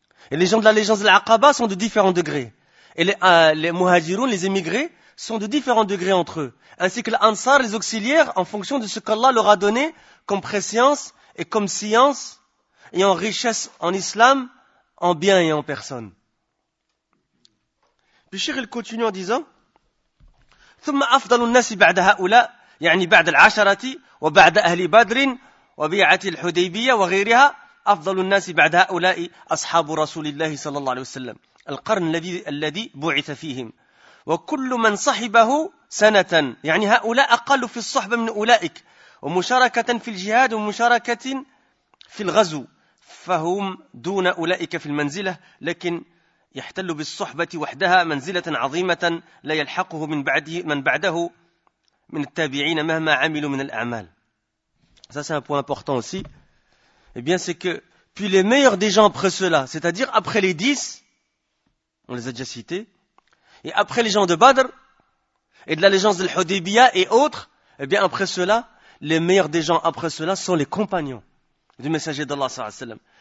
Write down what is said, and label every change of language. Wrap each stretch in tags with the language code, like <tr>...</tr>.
<fr>Et les gens de l'allégeance de l'Aqaba sont de différents degrés. Et les muhajiroun, les émigrés, sont de différents degrés entre eux. Ainsi que l'ansar, les auxiliaires, en fonction de ce qu'Allah leur a donné comme préscience et comme science, et en richesse en islam, en bien et en personne. Puis Cheikh, il continue en disant,</fr> <ar>« ثم أفضل الناس بعد هؤلاء يعني بعد العشرة وبعد أهل بدر وبيعة الحديبية وغيرها أفضل الناس بعد هؤلاء أصحاب رسول الله صلى الله عليه وسلم القرن الذي بعث فيهم وكل من صحبه سنة يعني هؤلاء أقل في الصحبة من أولئك ومشاركة في الجهاد ومشاركة في الغزو فهم دون أولئك في المنزلة لكن يحتل بالصحبة وحدها منزلة عظيمة لا يلحقه من بعده من بعده من التابعين مهما عملوا من الأعمال.</ar> <fr>Ça c'est un point important aussi. Eh bien c'est que puis les meilleurs des gens après cela, c'est-à-dire après les dix, on les a déjà cités, et après les gens de Badr et de l'allégeance de l'Hudaybiyah et autres, eh bien après cela, les meilleurs des gens après cela sont les compagnons du Messager d'Allah sallallahu alayhi wa sallam.</fr>